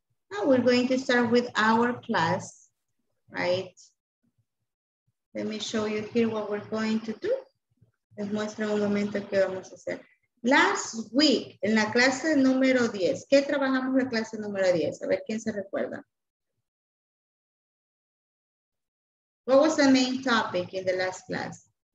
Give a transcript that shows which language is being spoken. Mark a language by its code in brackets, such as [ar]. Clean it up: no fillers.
[en] Now we're going to start with our class, right? Let me show you here what we're going to do. [es] Les muestro un momento qué vamos a hacer. [en] Last week, [es] en la clase número 10, ¿qué trabajamos en la clase número 10? A ver quién se recuerda. [en] What was the main topic in the last class?